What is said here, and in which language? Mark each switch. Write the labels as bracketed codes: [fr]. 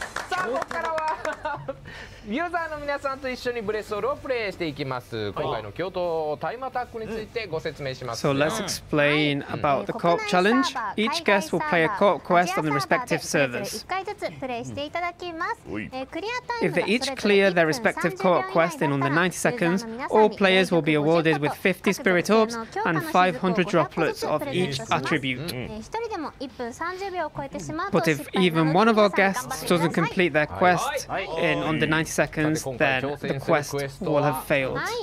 [ja] さあここからはユーザーの皆さんと一緒にブレスオールをプレイしていきます。今回の共闘タイムアタックについてご説明します。 [en] So let's explain about the co-op challenge. Each guest will play a co-op quest on the respective servers. [ja] 1回ずつプレイしていただきます。クリアタイム [en] If they each clear their respective co-op quest in under 90 seconds, all players will be awarded with 50 spirit orbs and 500 droplets of each attribute. [ja] 1人でも1分30秒を超えてしまうと、 [en] But if even one of our guests doesn't complete their quest in under 90 seconds,Seconds, then the quest will have failed.